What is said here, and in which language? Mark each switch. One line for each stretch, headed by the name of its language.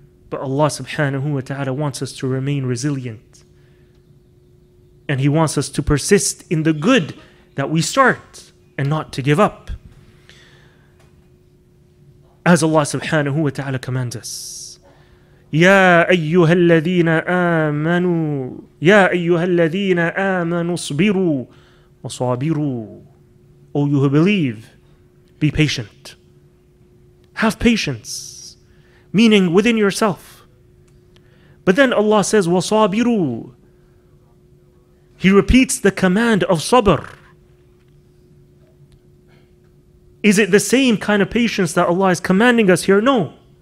English: But Allah subhanahu wa ta'ala wants us to remain resilient. And He wants us to persist in the good that we start and not to give up. As Allah subhanahu wa ta'ala commands us,
Arabic: يَا أَيُّهَا الَّذِينَ آمَنُوا يَا أَيُّهَا الَّذِينَ آمَنُوا اصْبِرُوا وَصَابِرُوا.
English: O you who believe, be patient. Have patience, meaning within yourself. But then Allah says, وَصَابِرُوا. He repeats the command of sabr. Is it the same kind of patience that Allah is commanding us here? No.